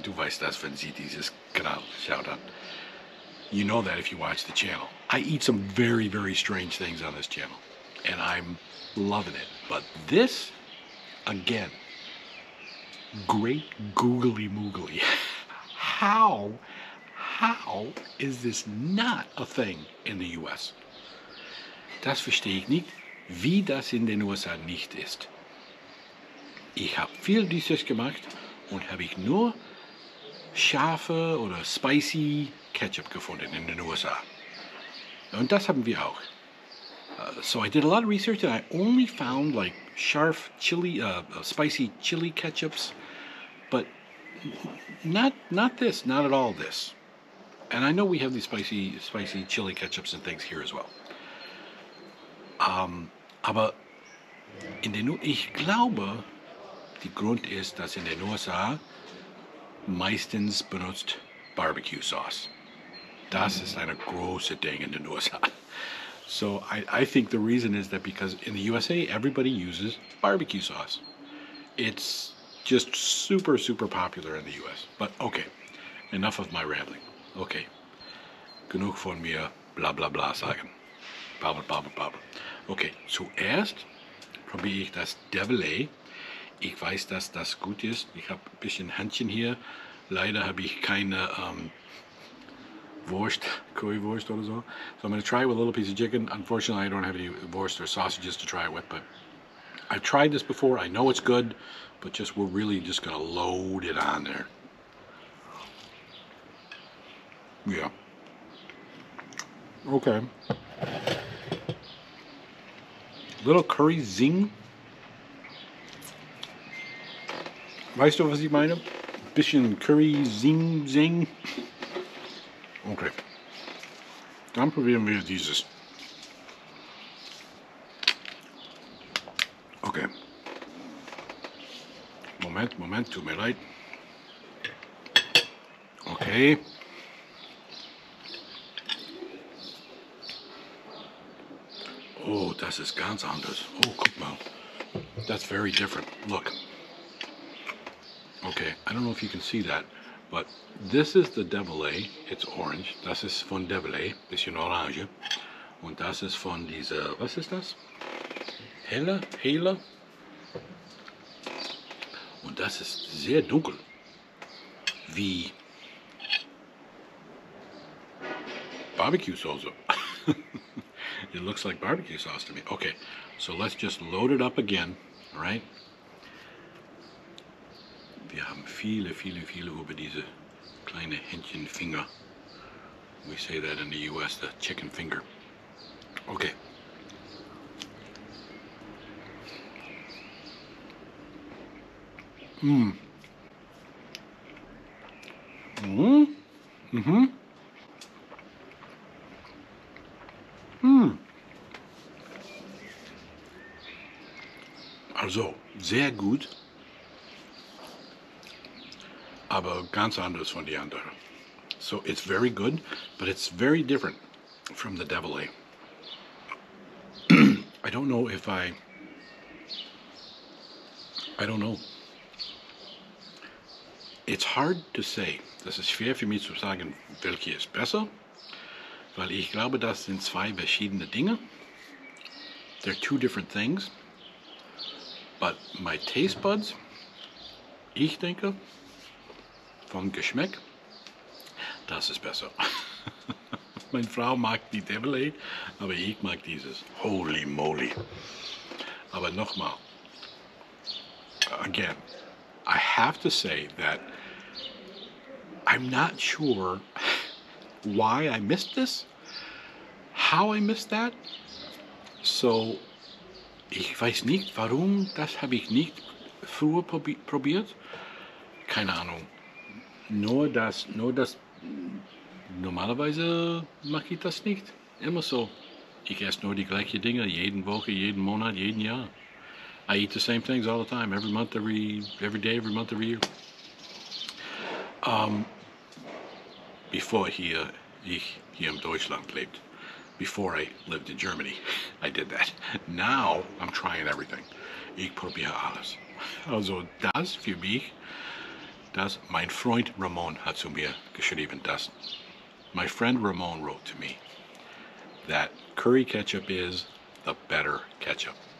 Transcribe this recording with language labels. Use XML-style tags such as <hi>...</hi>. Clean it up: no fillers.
<de>Du weißt das, wenn sie dieses Kanal schaut an.</de> <en>You know that if you watch the channel. I eat some very, very strange things on this channel. And I'm loving it. But this, again, great googly moogly. How is this not a thing in the US?</en> <de>Das verstehe ich nicht, wie das in den USA nicht ist. Ich habe viel dieses gemacht und habe ich nur scharfe oder spicy Ketchup gefunden in den USA. Und das haben wir auch.</de> <en>So I did a lot of research and I only found like sharp chili, spicy chili ketchups, but not this, not at all this. And I know we have these spicy chili ketchups and things here as well.</en> <de>Aber in den ich glaube, der Grund ist, dass in den USA meistens benutzt Barbecue Sauce. das ist eine große Ding in den USA.</de> <en>So I think the reason is that because in the USA, everybody uses barbecue sauce. It's just super, super popular in the US. But okay, enough of my rambling.</en> <de>Okay, genug von mir, blah, blah, blah sagen.</de> <en>Babble, babble, babble.</en> <de>Okay, zuerst probiere ich das Develay. Ich weiß, dass das gut ist. Ich habe ein bisschen Händchen hier. Leider habe ich keine Wurst, Currywurst oder so.</de> <en>So I'm going to try with a little piece of chicken. Unfortunately, I don't have any Wurst or sausages to try it with, but I've tried this before. I know it's good, but just we're really just going to load it on there. Yeah. Okay. Little curry zing.</en> <de>Weißt du, was ich meine? Bisschen curry zing zing. Okay. Dann probieren wir dieses. Okay. Moment, Moment, tut mir leid. Okay. Oh, das ist ganz anders. Oh, guck mal.</de> <en>That's very different. Look. Okay, I don't know if you can see that, but this is the Develay. It's orange.</en> <de>Das ist von Develay. Bisschen orange. Und das ist von dieser, was ist das? Helle? Helle? Und das ist sehr dunkel. Wie barbecue sauce.</de> <en>It looks like barbecue sauce to me. Okay, so let's just load it up again, all right?</en> <de>Wir haben viele, viele, viele über diese kleine Hähnchen Finger.</de> <en>We say that in the US, the chicken finger. Okay. Mmm. Mm-hmm.</en> <de>Also, sehr gut, aber ganz anders von die anderen.</de> <en>So, it's very good, but it's very different from the Develay. I don't know if I don't know. It's hard to say.</en> <de>Das ist schwer für mich zu sagen, welche ist besser, weil ich glaube, das sind zwei verschiedene Dinge.</de> <en>They're two different things. But my taste buds,</en> <de>ich denke, vom Geschmack, das ist besser. Meine Frau mag die Develay, aber ich mag dieses.</de> <en>Holy moly.</en> <de>Aber nochmal.</de> <en>Again, I have to say that I'm not sure why I missed this, how I missed that.</en> <de>So ich weiß nicht, warum, das habe ich nicht früher probiert. Keine Ahnung. Nur das, normalerweise mache ich das nicht. Immer so. Ich esse nur die gleichen Dinge, jeden Woche, jeden Monat, jeden Jahr.</de> <en>I eat the same things all the time, every month, every day, every month, every year.</en> <de>Before hier, ich hier in Deutschland lebte.</de> <en>Before I lived in Germany, I did that. Now I'm trying everything.</en> <de>Ich probiere alles. Also das für mich, das mein Freund Ramon hat zu mir geschrieben, das.</de> <en>My friend Ramon wrote to me that curry ketchup is the better ketchup.</en>